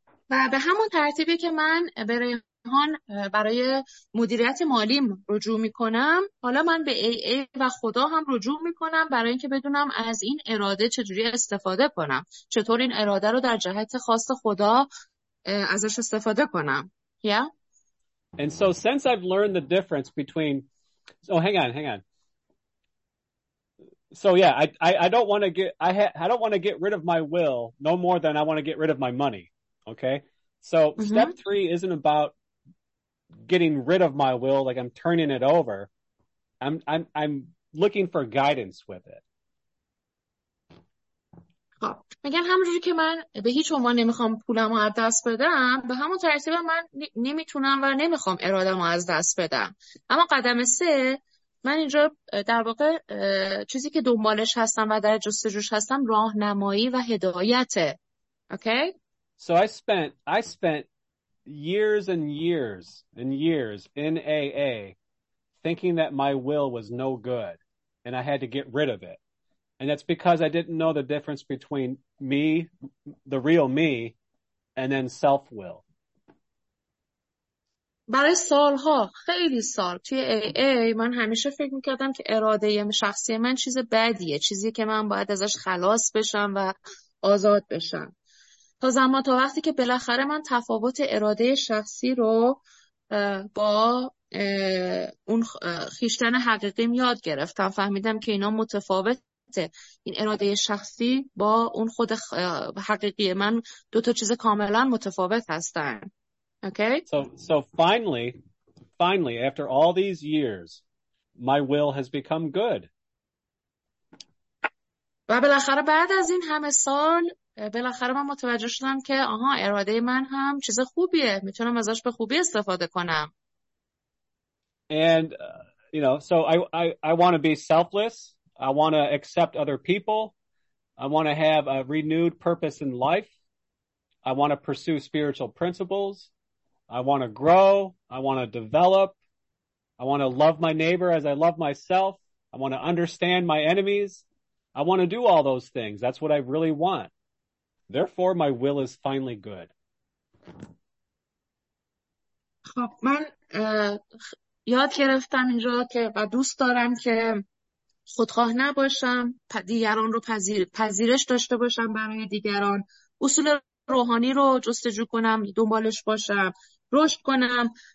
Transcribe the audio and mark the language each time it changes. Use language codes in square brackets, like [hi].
[fa] و به همون ترتیبی که من به ریحان برای مدیریت مالیم رجوع میکنم، حالا من به ای ای و خدا هم رجوع میکنم برای اینکه بدونم از این اراده چجوری استفاده کنم، چطور این اراده رو در جهت خاص خدا ازش استفاده کنم. [en] Yeah. And so since I've learned the difference between hang on. So yeah, I don't want to get rid of my will no more than I want to get rid of my money. Okay. So step three isn't about getting rid of my will, like I'm turning it over. I'm looking for guidance with it. [fa] خب میگن همونجوری که من به هیچ عنوان نمیخوام پولمو از دست بدم، به همون ترتیب من نمیتونم و نمیخوام ارادمو از دست بدم. اما قدم سه، من اینجا در واقع چیزی که دنبالش هستم و در جستجوش هستم راهنمایی و هدایته. [en] Okay. So I spent years and years and years in AA thinking that my will was no good and I had to get rid of it. And that's because I didn't know the difference between me, the real me, and then self-will. [fa] برای سالها، خیلی سال توی AA من همیشه فکر میکردم که اراده شخصی من چیز بدیه، چیزی که من باید ازش خلاص بشم و آزاد بشم. تا وقتی که بالاخره من تفاوت اراده شخصی رو با اون خیشتن حقیقیم یاد گرفتم، فهمیدم که اینا متفاوته. این اراده شخصی با اون خود حقیقی من دو تا چیز کاملا متفاوت هستن. [en] Okay. So finally, after all these years, my will has become good. [fa] و بالاخره بعد از این همه سال، بالاخره من متوجه شدم که آها، اراده من هم چیز خوبیه، میتونم ازش به خوبی استفاده کنم. [en] And you know, so I want to be selfless. I want to accept other people. I want to have a renewed purpose in life. I want to pursue spiritual principles. I want to grow. I want to develop. I want to love my neighbor as I love myself. I want to understand my enemies. I want to do all those things. That's what I really want. Therefore, my will is finally good. [fa] خب من یاد گرفتم اینجا که و دوست دارم که خودخواه نباشم، دیگران رو پذیرش داشته باشم برای دیگران، اصول روحانی رو جستجو کنم، دنبالش باشم، رشد کنم.